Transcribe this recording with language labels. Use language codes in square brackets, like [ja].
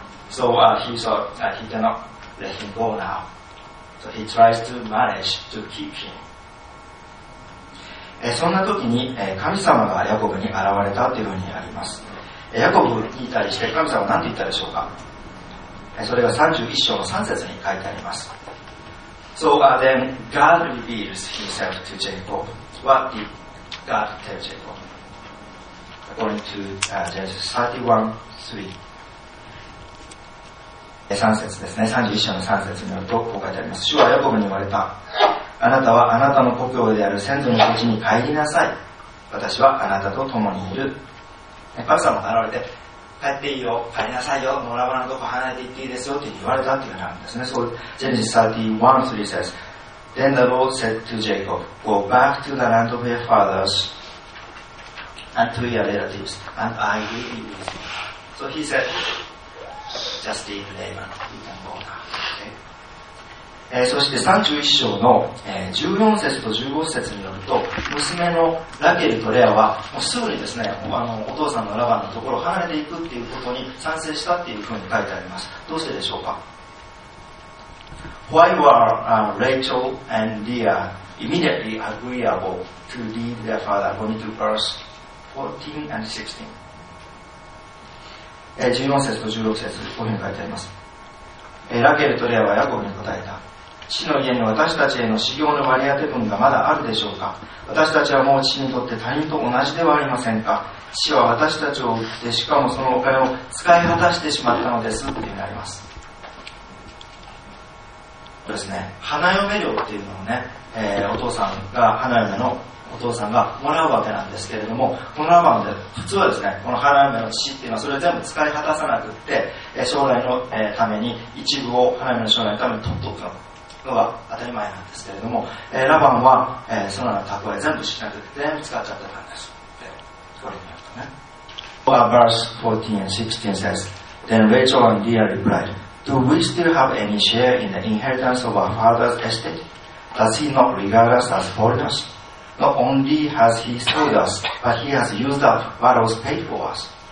[en] So he thought that he cannot let him go now. So he tries to manage to keep him. [ja] そんな時に神様がヤコブに現れたというふうにあります。ヤコブに対して神様は何と言ったでしょうか。それが31章の3節に書いてあります。 [en] So then God reveals himself to Jacob. What did God tell Jacob? According to Genesis 31:3. [ja] 3節ですね。 31章の3節によるとこう書いてあります。主はヤコブに言われた。あなたはあなたの故郷である先祖の土地に帰りなさい。私はあなたと共にいる。神様が現れて、帰っていいよ、帰りなさいよ、ラバンのとこ離れて行っていいですよって言われたっていうふうになるんですね。 [en] So Genesis 31:3 says, Then the Lord said to Jacob, Go back to the land of your fathers and to your relatives, and I will be with you. So he said, Just leave Laban, you can go now. Okay. [ja] そして31章の14節と15節によると、娘のラケルとレアはもうすぐにですね、お父さんのラバンのところを離れていくっていうことに賛成したっていうふうに書いてあります。どうしてでしょうか。 [en] Why were Rachel and Leah immediately agreeable to leave their father according to verse 14 and 16 [ja] 14節と16節こういうふうに書いてあります。ラケルとレアはヤコブに答えた。父の家に私たちへの修行の割り当て分がまだあるでしょうか。私たちはもう父にとって他人と同じではありませんか。父は私たちを売って、しかもそのお金を使い果たしてしまったのです。というふうになります。そうですね。花嫁料っていうのをね、お父さんが、花嫁のお父さんがもらうわけなんですけれども、このラバンで普通はですね、この花嫁の父っていうのはそれを全部使い果たさなくって、将来のために一部を花嫁の将来のために取っておくの。のが当たり前なんですけれども、ラバンは、そのような蓄え全部しなくて全部使っちゃってたんです。でこれによるとね、 [en] Verse 14 and 16 says Then Rachel and Leah replied Do we still have any share in the inheritance of our father's estate? Does he not regard us as foreigners? Not only has he sold us, but he has used up what was paid for us.